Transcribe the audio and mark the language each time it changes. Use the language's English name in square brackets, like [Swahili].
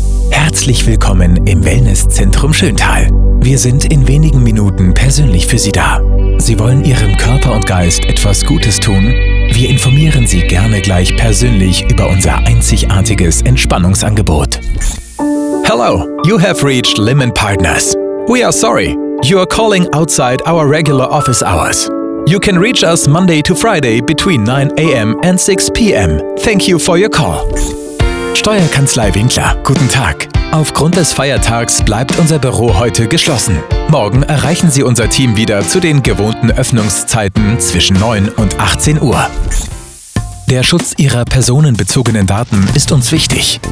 [German] Herzlich willkommen im Wellnesszentrum Schöntal. Wir sind in wenigen Minuten persönlich für Sie da. Sie wollen Ihrem Körper und Geist etwas Gutes tun? Wir informieren Sie gerne gleich persönlich über unser einzigartiges Entspannungsangebot. [English] Hello, you have reached Lehman Partners. We are sorry, you are calling outside our regular office hours. You can reach us Monday to Friday between 9 a.m. and 6 p.m. Thank you for your call. [German] Steuerkanzlei Winkler, guten Tag. Aufgrund des Feiertags bleibt unser Büro heute geschlossen. Morgen erreichen Sie unser Team wieder zu den gewohnten Öffnungszeiten zwischen 9 und 18 Uhr. Der Schutz Ihrer personenbezogenen Daten ist uns wichtig.